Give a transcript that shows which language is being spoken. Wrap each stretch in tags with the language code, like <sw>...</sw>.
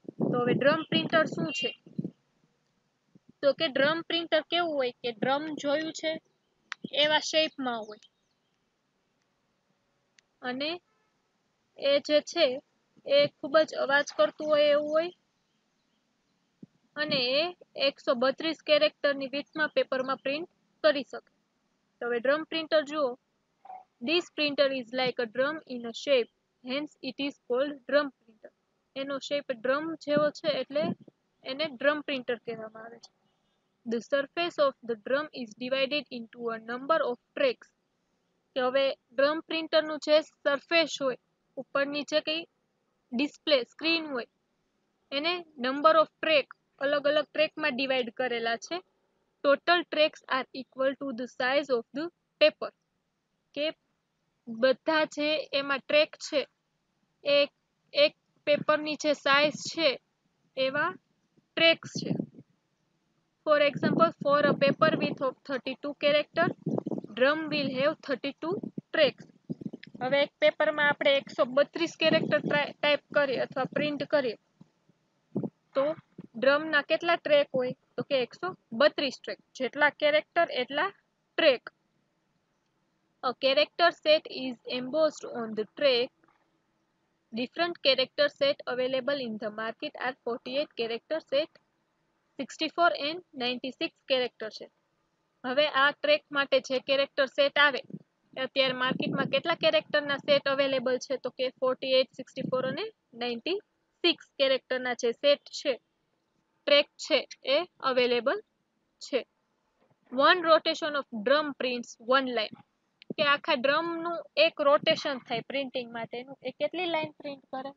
<gu>તો હવે drum printer શું છે? તો કે ડ્રમ પ્રિન્ટર કેવું હોય કે ડ્રમ જોયું છે એવા શેપ માં હોય, અને એ જે છે એ ખૂબ જ અવાજ કરતું હોય એવું હોય, અને એ 132 કેરેક્ટર ની વિડ્થ માં પેપર માં પ્રિન્ટ કરી શકે। તો હવે ડ્રમ પ્રિન્ટર જુઓ।</gu> <en>This printer is like a drum in a shape, hence it is called drum printer.</en> <gu>એનો શેપ ડ્રમ જેવો છે એટલે એને ડ્રમ પ્રિન્ટર કહેવામાં આવે છે।</gu> <en>The surface of the drum is divided into a number of tracks.</en> <gu>કે હવે ડ્રમ પ્રિન્ટર નું જે સરફેસ હોય, ઉપર નીચે કઈ ડિસ્પ્લે સ્ક્રીન હોય, એને</gu> <en>number of track,</en> <gu>અલગ અલગ ટ્રેક માં ડિવાઈડ કરેલા છે।</gu> <en>Total tracks are equal to the size of the paper.</en> <gu>કે બધા જે એમાં ટ્રેક છે એક એક પેપરની જે સાઇઝ છે એવા ટ્રેક્સ છે।</gu> <en>For example, for a paper with 32 character, drum will have 32 tracks.</en> <gu>હવે એક પેપરમાં આપણે 132 કેરેક્ટર ટાઈપ કરીએ અથવા પ્રિન્ટ કરીએ તો ડ્રમના કેટલા ટ્રેક હોય? તો કે 132 ટ્રેક, જેટલા કેરેક્ટર એટલા track.</gu> <en>A character set is embossed on the track. Different character set available in the market are 48 character set, 64 and 96 character set.</en> <gu>હવે આ ટ્રેક માટે જે કેરેક્ટર સેટ આવે અત્યારે માર્કેટમાં કેટલા કેરેક્ટરના સેટ અવેલેબલ છે? તો કે 48, 64 અને 96 કેરેક્ટરના જે સેટ છે, ટ્રેક છે એ અવેલેબલ છે।</gu> <en>One rotation of drum prints one line.</en> <gu>કે આખા ડ્રમ નું એક રોટેશન થાય પ્રિન્ટિંગ માટેનું, એ કેટલી લાઈન પ્રિન્ટ કરે?</gu>